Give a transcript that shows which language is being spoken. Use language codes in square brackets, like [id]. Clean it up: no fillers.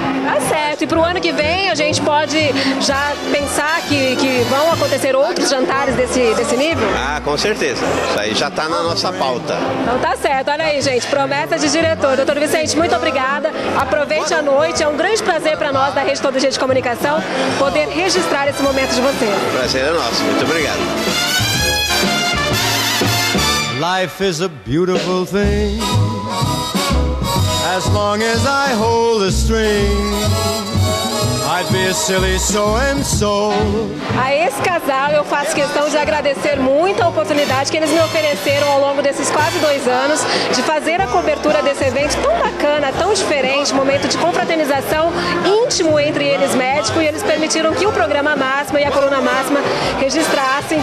[pt] Tá certo. E pro ano que vem a gente pode pode já pensar que vão acontecer outros jantares desse nível? Ah, com certeza. Isso aí já está na nossa pauta. Então tá certo. Olha aí, gente. Promessa de diretor. Doutor Vicente, muito obrigada. Aproveite a noite. É um grande prazer para nós, da Rede Todo Dia de Comunicação, poder registrar esse momento de você. O prazer é nosso. Muito obrigado. [en] Life is a beautiful thing, as long as I hold a string. I'd be a silly so-and-so. [pt] A esse casal eu faço questão de agradecer muito a oportunidade que eles me ofereceram ao longo desses quase 2 anos de fazer a cobertura desse evento tão bacana, tão diferente, momento de confraternização íntimo entre eles médico, e eles permitiram que o programa Máxima e a Coluna Máxima registrasse.